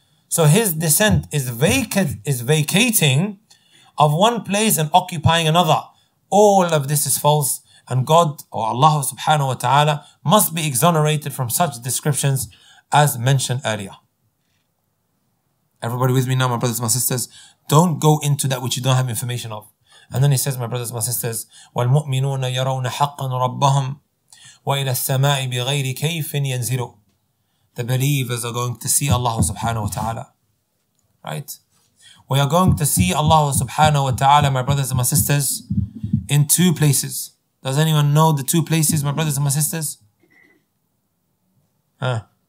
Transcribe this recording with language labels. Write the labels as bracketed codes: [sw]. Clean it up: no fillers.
[en] So his descent is vacating of one place and occupying another. All of this is false. And God, or Allah subhanahu wa ta'ala, must be exonerated from such descriptions as mentioned earlier. Everybody with me now, my brothers, my sisters, don't go into that which you don't have information of. And then he says, my brothers, my sisters, [ar] وَالْمُؤْمِنُونَ يَرَوْنَ حَقًّا رَبَّهُمْ وَإِلَى السَّمَاءِ بِغَيْرِ كَيْفٍ يَنْزِلُ. [en] The believers are going to see Allah subhanahu wa ta'ala. Right? We are going to see Allah subhanahu wa ta'ala, my brothers and my sisters, in two places. Does anyone know the two places, my brothers and my sisters? Huh?